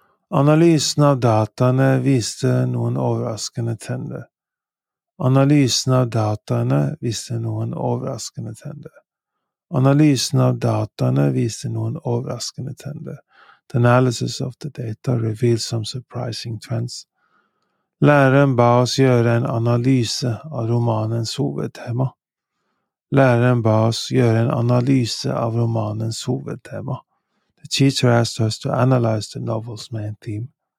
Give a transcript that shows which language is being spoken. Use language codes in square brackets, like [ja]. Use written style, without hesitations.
[no] Analysen av dataene viste noen overraskende trender. [en] The analysis of the data revealed some surprising trends. [no] Læreren ba oss gjøre en analyse av romanens hovedtema. Læreren ba oss gjøre en analyse av romanens hovedtema. [en] The teacher asked us to analyze the novel's main theme.